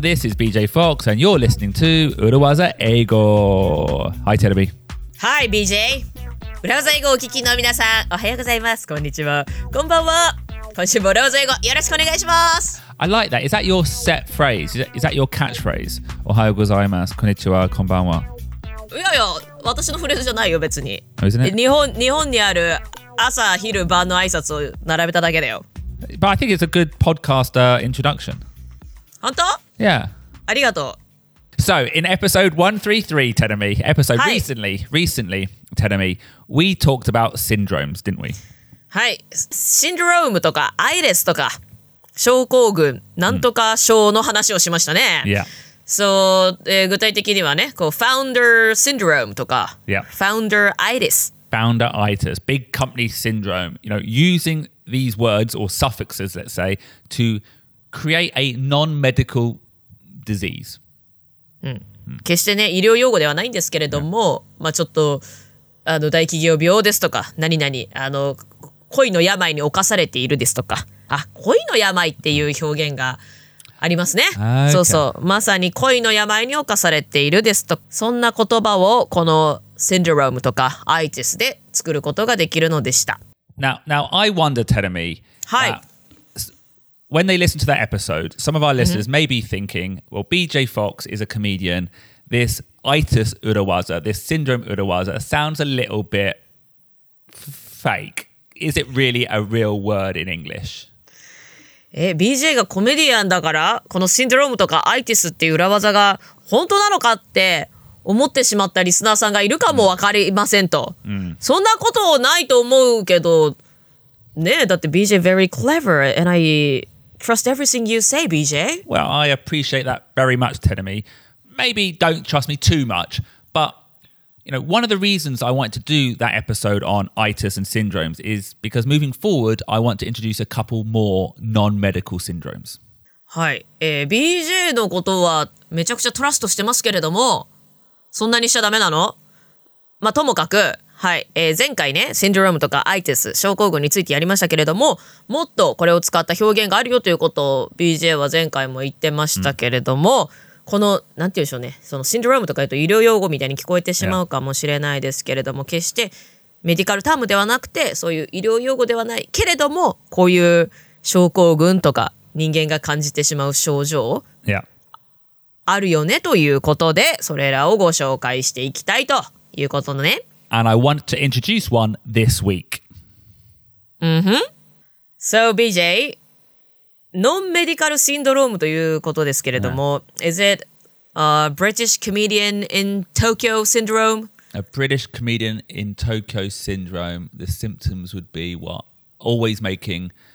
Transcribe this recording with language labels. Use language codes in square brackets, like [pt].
[en] This is BJ Fox, and you're listening to Urawaza Eigo. Hi, Terumi. Hi, BJ. [ja] Urawaza Eigo, お聞きの皆さん、おはようございます。こんにちは。こんばんは。今週も Urawaza Eigo、よろしくお願いします。 [en] I like that. Is that your set phrase? Is that your catchphrase? [ja] おはようございます。こんにちは。こんばんは。いやいや、私のフレーズじゃないよ、別に。 [en] Isn't it? [ja] 日本にある朝、昼、晩の挨拶を並べただけだよ。 [en] But I think it's a good podcaster introduction. [ja] 本当? [en] Yeah. [ja] ありがとう。 [en] So, in episode 133, Terumi, episode、はい、recently, Terumi, we talked about syndromes, didn't we? [ja] はい。シンドロームとか、アイレスとか、症候群、なんとか症の話をしましたね。 [en] Yeah. [ja] So,、具体的にはね、こう、founder syndrome とか、 [en] yeah. founder itis, big company syndrome, you know, using these words or suffixes, let's say, tocreate a non-medical disease. [ja] 決してね、医療用語ではないんですけれども、yeah. まあちょっとあの大企業病ですとか、何々あの恋の病に侵されているですとか、あ、恋の病っていう表現がありますね。 [en] Okay. [ja] そうそう、まさに恋の病に侵されているですと、そんな言葉をこのシンドロームとかアイティスで作ることができるのでした。 [en] Now I wonder, Terumi. [ja] はい。 [en] When they listen to that episode, some of our listeners、mm-hmm. may be thinking, well, BJ Fox is a comedian. This itis urawaza, this syndrome urawaza, sounds a little bit fake. Is it really a real word in English? [ja] BJ がコメディアンだから、このシンドロームとかアイティスっていう裏技が本当なのかって思ってしまったリスナーさんがいるかもわかりませんと。 Mm-hmm. そんなことないと思うけど、ねえ、だって BJ [en] very clever and I... Trust everything you say, BJ. Well, I appreciate that very much, Terumi. Maybe don't trust me too much, but you know, one of the reasons I wanted to do that episode on itis and syndromes is because moving forward, I want to introduce a couple more non-medical syndromes. [ja] はい、BJ のことはめちゃくちゃトラストしてますけれども、そんなにしちゃダメなの？まあ、ともかく、はい、前回ね、シンドロームとかアイティス、症候群についてやりましたけれども、もっとこれを使った表現があるよということを BJ は前回も言ってましたけれども、この、なんて言うんでしょうね、そのシンドロームとか言うと医療用語みたいに聞こえてしまうかもしれないですけれども、決してメディカルタームではなくて、そういう医療用語ではないけれども、こういう症候群とか人間が感じてしまう症状、 [en] yeah. [ja] あるよねということで、それらをご紹介していきたいということのね。 [en] And I want to introduce one this week. [ja] Mm-hmm. So, BJ, non-medical syndrome ということですけれども、yeah. [en] is it a British comedian in Tokyo syndrome? A British comedian in Tokyo syndrome. The symptoms would be what? Always making...